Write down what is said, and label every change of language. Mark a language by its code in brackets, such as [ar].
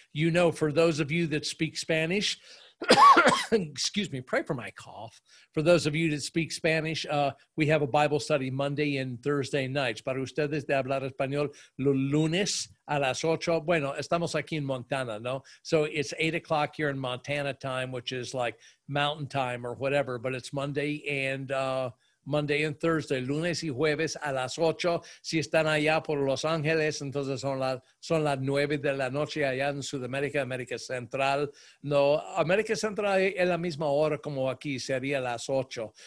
[en] You know, for those of you that speak Spanish, excuse me, pray for my cough. For those of you that speak Spanish, we have a Bible study Monday and Thursday nights. [es] Para ustedes de hablar español, los lunes a las ocho. Bueno, estamos aquí en Montana, no? [en] So it's 8 o'clock here in Montana time, which is like mountain time or whatever, but it's Monday and Monday and Thursday, [es] lunes y jueves a las ocho. Si están allá por Los Ángeles, entonces son las nueve de la noche allá en Sudamérica, América Central. No, América Central es la misma hora como aquí, sería las ocho.